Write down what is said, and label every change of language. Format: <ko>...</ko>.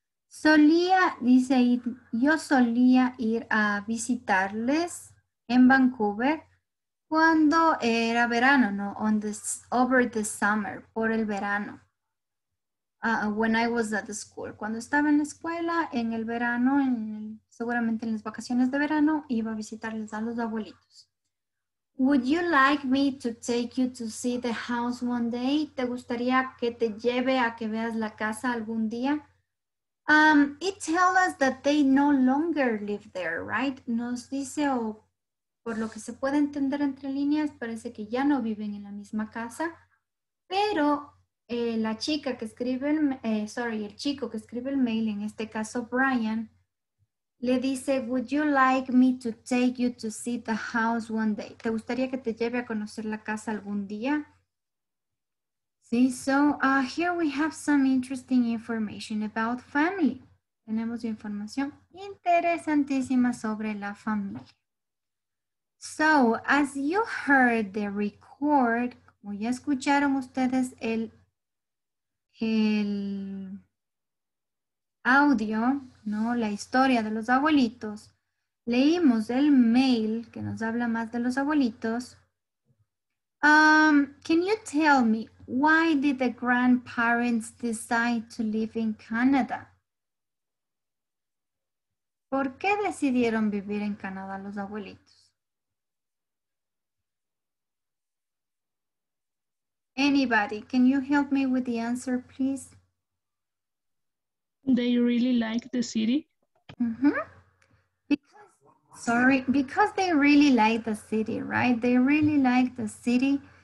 <es>Solía, dice, yo solía ir a visitarles en Vancouver cuando era verano, ¿no?</es> <en>Over the summer,</en> <es>por el verano.</es> <en>When I was at the school.</en> <es>Cuando estaba en la escuela, en el verano, seguramente en las vacaciones de verano, iba a visitarles a los abuelitos.</es> <en>Would you like me to take you to see the house one day?</en> <es>¿Te gustaría que te lleve a que veas la casa algún día?</es> <en>It tells us that they no longer live there, right?</en> <es>Nos dice, o por lo que se puede entender entre líneas, parece que ya no viven en la misma casa. Pero la chica que escribe, el chico que escribe el mail, en este caso Brian, le dice,</es> <en>would you like me to take you to see the house one day?</en> <es>¿Te gustaría que te lleve a conocer la casa algún día?</es> <en>Sí, so here we have some interesting information about family.</en> <es>Tenemos información interesantísima sobre la familia.</es> <en>So, as you heard the record,</en> <es>como ya escucharon ustedes el audio, ¿no? La historia de los abuelitos. Leímos el mail que nos habla más de los abuelitos.</es> <en>Can you tell me why did the grandparents decide to live in Canada?</en> <es>¿Por qué decidieron vivir en Canadá los abuelitos?</es> <en>Anybody, can you help me with the answer, please? They really like the city. Mm-hmm. Because they really like the city, right? They really like the city.</en>